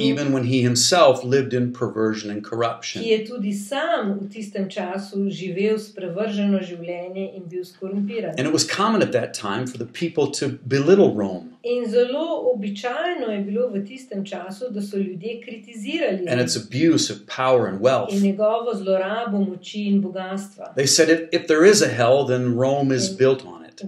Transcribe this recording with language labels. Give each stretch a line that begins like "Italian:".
English: Even when he himself lived in perversion and corruption.
Slovenian: Ki je tudi sam v tistem času živel sprevrženo življenje in bil skorumpiran.
English: And it was common at that time for the people to belittle Rome.
Slovenian: In zelo običajno je bilo v tistem času, da so ljudje kritizirali
English: and its abuse of power and wealth.
Slovenian: In njegovo zlorabo moči in bogatstva.
English: They said if there is a hell, then Rome is built on it.